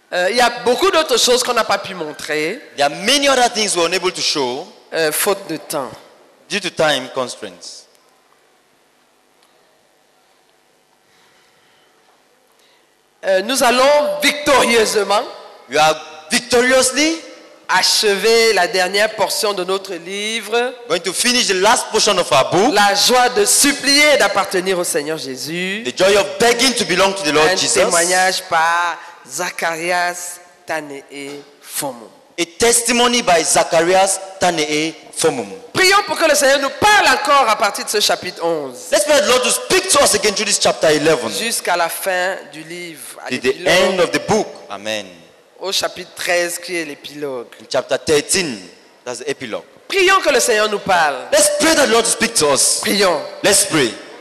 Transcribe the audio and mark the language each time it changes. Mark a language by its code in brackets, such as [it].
[fr] Il y a beaucoup d'autres choses qu'on n'a pas pu montrer. [en] There are many other things we're unable to show. [fr] Faute de temps. [en] Due to time constraints. [fr] Nous allons victorieusement. [en] You are victoriously. [fr] Achever la dernière portion de notre livre. [en] Going to finish the last portion of our book. [fr] La joie de supplier et d'appartenir au Seigneur Jésus. [en] The joy of begging to belong to the Lord Jesus. [fr] Un témoignage par Zacharias Tanee Fomum. [en] A testimony by Zacharias Tanee Fomum. [fr] Prions pour que le Seigneur nous parle encore à partir de ce chapitre 11. [en] Let's pray the Lord to speak to us again through this chapter 11. [fr] Jusqu'à la fin du livre. [en] To the end of the book. Amen. [fr] Au chapitre 13 qui est l'épilogue. [en] In chapter 13, that's the epilogue. [fr] Prions que le Seigneur nous parle. [en] Let's pray that the Lord speak to us. [fr] Prions. [en] Let's pray.